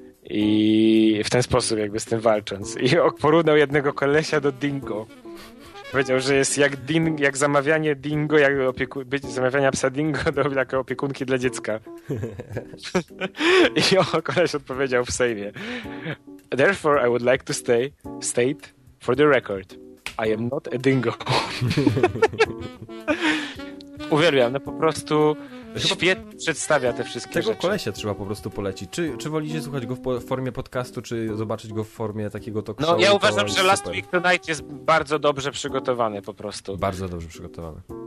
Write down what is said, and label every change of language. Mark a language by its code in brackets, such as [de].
[pl] I w ten sposób jakby z tym walcząc. I porównał jednego kolesia do dingo. Powiedział, że jest jak zamawianie dingo, jak zamawiania psa dingo jako opiekunki dla dziecka. I o, koleś odpowiedział w Sejmie. [en] Therefore, I would like to state for the record, I am not a dingo. [pl] Uwielbiam, no po prostu świetnie przedstawia te wszystkie tego rzeczy. Tego kolesia trzeba po prostu polecić. Czy wolicie słuchać go w formie podcastu, czy zobaczyć go w formie takiego talk show? No ja uważam, że Last Week Tonight jest bardzo dobrze przygotowany po prostu. Bardzo dobrze przygotowany.